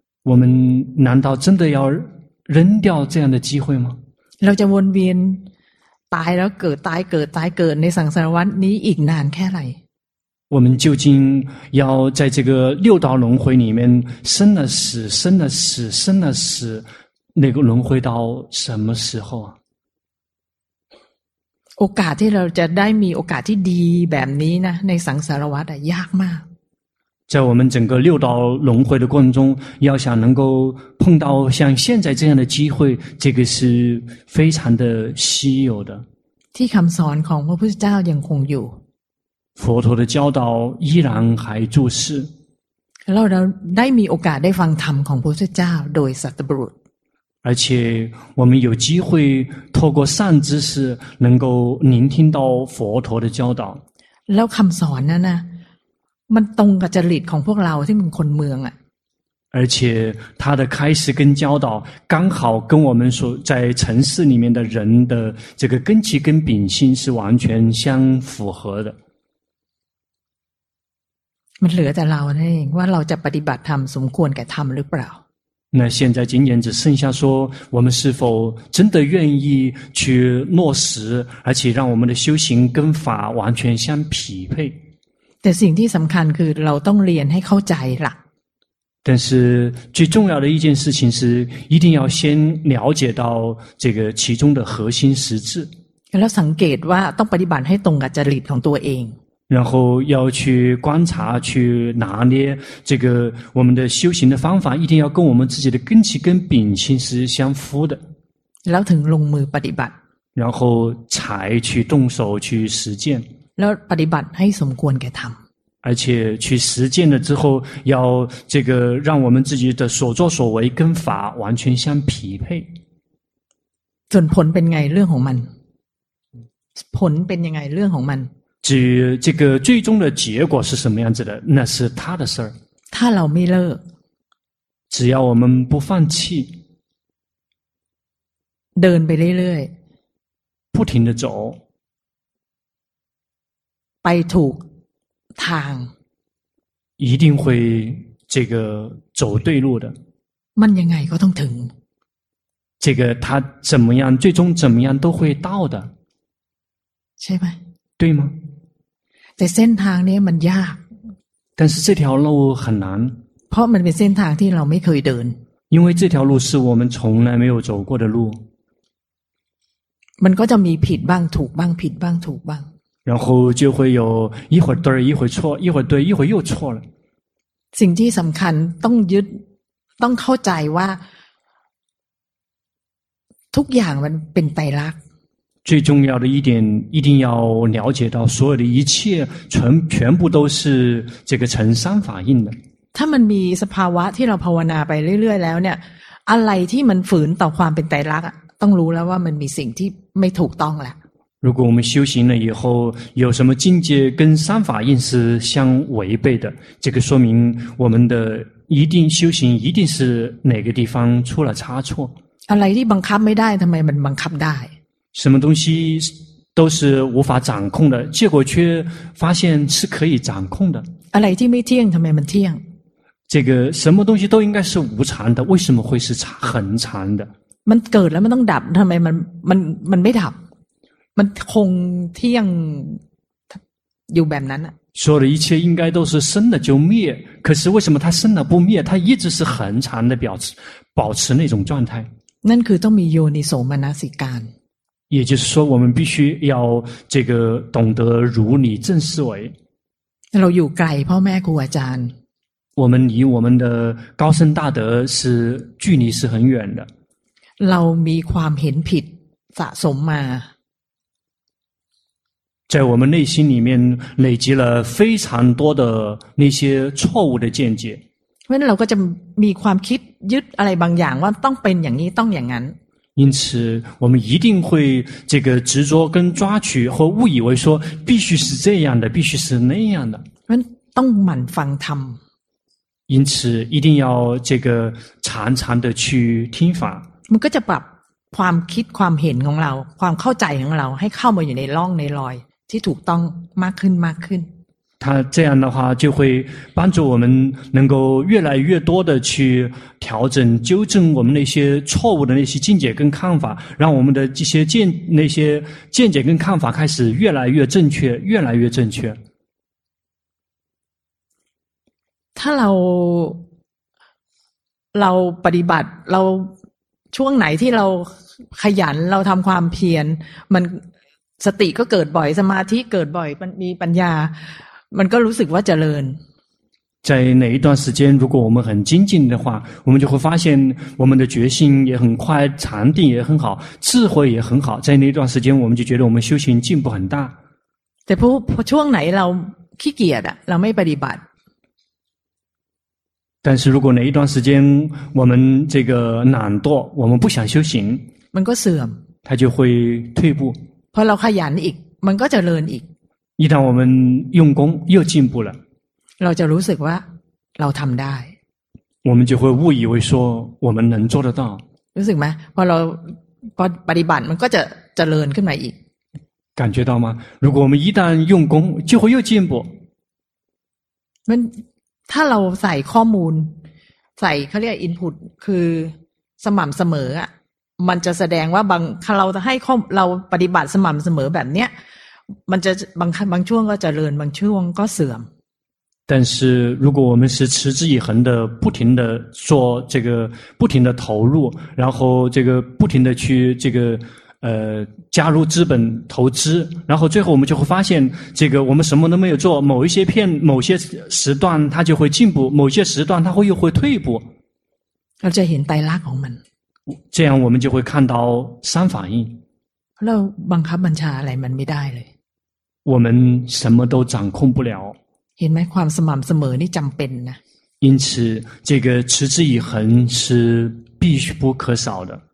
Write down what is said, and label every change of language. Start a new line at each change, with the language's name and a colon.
Chinese: 我们难道真的要扔掉这样的机会吗？
Thai: เราจะวนเวียนตายแล้วเกิดตายเกิดตายเกิดในสังสารวัฏนี้อีกนานแค่ไหร่
Chinese: 我们究竟要在这个六道轮回里面生了死生了死生了死那个轮回到什么时候啊
Thai: โอกาสที่เราจะได้มีโอกาสที่ดีแบบนี้นะในสังสารวัฏยากมาก
Chinese: 在我们整个六道轮回的过程中要想能够碰到像现在这样的机会这个是非常的稀有的
Thai: ที่คำสอนของพระพุทธเจ้ายังคงอยู่
Chinese: 佛陀的教导依然还注视。
Thai: เราได้มีโอกาสได้ฟังธรรมของพระพุทธเจ้าโดยสัตบุรุษ。
Chinese: 而且我们有机会透过善知识能够聆听到佛陀的教导。
Thai: แล้วคำสอนนั้นนะมันตรงกับจริตของพวกเราที่เป็นคนเมืองอ่ะ。
Chinese: 而且他的开示跟教导刚好跟我们所在城市里面的人的这个根基跟秉性是完全相符合的。
Thai: มันเหลือแต่เราเองว่าเราจะปฏิบัติธรรมสมควรแก่ธรรมหรือเปล่า
Chinese: 那现在仅仅只剩下说我们是否真的愿意去落实而且让我们的修行跟法完全相匹配
Thai: แต่สิ่งที่สำคัญคือเราต้องเรียนให้เข้าใจล่ะ
Chinese: 但是最重要的一件事情是一定要先了解到这个其中的核心实质
Thai: แล้วสังเกตว่าต้องปฏิบัติให้ตรงกับจริตของตัวเอง
Chinese: 然后要去观察去拿捏这个我们的修行的方法一定要跟我们自己的根基跟秉性是相符的
Thai: แล้วถึงลงมือปฏิบัติ
Chinese: 然后才去动手去实践
Thai: แล้วปฏิบัติให้สมควรแก่ธรรม
Chinese: 而且去实践了之后，要这个让我们自己的所作所为跟法完全相匹配。
Thai: จนผลเป็นไงเรื่องของมัน？ ผลเป็นยังไงเรื่องของมัน？
Chinese: 至于这个最终的结果是什么样子的，那是他的事儿。
Thai: ถ้าเราไม่เลิก，
Chinese: 只要我们不放弃，
Thai: เดินไปเรื่อย
Chinese: ๆ，不停的走，
Thai: ไปถูกทาง，
Chinese: 一定会这个走对路的。
Thai: มันยังไงก็ต้องถึง。
Chinese: 这个他怎么样，最终怎么样都会到的。
Thai: ใช่ไหม？
Chinese: 对吗？
Thai: แต่เส้นทางนี้มันยาก。
Chinese: 但是这条路很难。
Thai: เพราะมันเป็นเส้นทางที่เราไม่เคยเดิน。
Chinese: 因为这条路是我们从来没有走过的路。
Thai: มันก็จะมีผิดบ้างถูกบ้างผิดบ้างถูกบ้าง。
Chinese: 然后就会有一会儿对一会儿错一会儿对一会儿又错了。
Thai: สิ่งที่สำคัญต้องยึดต้องเข้าใจว่าทุกอย่างมันเป็นไตรลักษณ์
Chinese: 最重要的一点一定要了解到所有的一切全部都是这个成三法印的。
Thai: ถ้ามันมีสภาวะที่เราภาวนาไปเรื่อยๆแล้วเนี่ยอะไรที่มันฝืนต่อความเป็นไตรลักษณ์ต้องรู้แล้วว่ามันมีสิ่งที่ไม่ถูกต้องแล้ว
Chinese: 如果我们修行了以后，有什么境界跟三法印是相违背的？这个说明我们的一定修行一定是哪个地方出了差错。
Thai: อะไรที่บังคับไม่ได้ทำไมมันบังคับได้？
Chinese: 什么东西都是无法掌控的，结果却发现是可以掌控的。
Thai: อะไรที่ไม่เที่ยงทำไมมันเที่ยง？
Chinese: 这个什么东西都应该是无常的，为什么会是恒常的？
Thai: มันเกิดแล้วมันต้องดับทำไมมันไม่ดับมันคงเที่ยงอยู่แบบนั้นอ่ะ
Chinese: 说的一切应该都是生了就灭可是为什么它生了不灭它一直是恒常的保持那种状态
Thai: นั่นคือต้องมีโยนิโสมนสิการ
Chinese: 也就是说我们必须要这个懂得如理正思维
Thai: เราอยู่ไกลพ่อแม่ครูอาจารย์
Chinese: 我们离我们的高僧大德是距离是很远的
Thai: เรามีความเห็นผิดสะสมมา
Chinese: 在我们内心里面累积了非常多的那些错误的见解，所以我们就会有
Thai: ความคิดยึดอะไรบางอย่างว่าต้องเป็นอย่างนี้ต้องอย่างนั้น。
Chinese: 因此，我们一定会这个执着跟抓取和误以为说必须是这样的，必须是那样的。所以，
Thai: ต้องหมั่นฟังธรรม。
Chinese: 因此，一定要这个常常的去听法。
Thai: มันก็จะปรับความคิดความเห็นของเราความเข้าใจของเราให้เข้ามาอยู่ในร่องในรอยที่ถูกต้องมากขึ้นมากขึ้น
Chinese: 他这样的话就会帮助我们能够越来越多的去调整纠正我们那些错误的那些见解跟看法让我们的这些见解跟看法开始越来越正确越来越正确
Thai: ถ้าเราปฏิบัติเราช่วงไหนที่เราขยันเราทำความเพียรมันสติก็เกิดบ่อยสมาธิเกิดบ่อยมันมีปัญญามันก็รู้สึกว่าเจริญ
Chinese: 在哪一段时间如果我们很精进的话我们就会发现我们的决心也很快禅定也很好智慧也很好在那段时间我们就觉得我们修行进步很大
Thai: แต่พอช่วงไหนเราขี้เกียจอะเราไม่ปฏิบัติ
Chinese: 但是如果哪一段时间我们这个懒惰我们不想修行
Thai: มันก็เสื่อม
Chinese: 它就会退步
Thai: พอเราขยันอีกมันก็เจริญอีก
Chinese: 一旦我们用功又进步了
Thai: เราจะรู้สึกว่าเราทำได้
Chinese: 我们就会误以为说我们能做得到
Thai: รู้สึกไหมพอปฏิบัติมันก็จะเจริญขึ้นมาอีก
Chinese: 感觉到吗如果我们一旦用功就会又进步
Thai: มันถ้าเราใส่ข้อมูลใส่เขาเรียกอินพุตคือสม่ำเสมออ่ะมันจะแสดงว่าบางถ้าเราให้ข้อเราปฏิบัติสม่ำเสมอแบบเนี้ยมันจะบางช่วงก็เจริญบางช่วงก็เสื่อม
Chinese: 但是如果我们是持之以恒的不停的做这个不停的投入然后这个不停的去这个加入资本投资然后最后我们就会发现这个我们什么都没有做某一些片某些时段它就会进步某些时段它会又会退步
Thai: เราจะเห็นไตรลักษณ์ของมัน
Chinese: 这样我们就会看到三反应
Thai: เราบังคับบัญชาอะไรมันไม่ได้เลย
Chinese: 我们什么都掌控不了
Thai: ห็นไหมความสม่ำเสมอนี่จำเป็นนะ
Chinese: 因此这个持之以恒是必须不可少的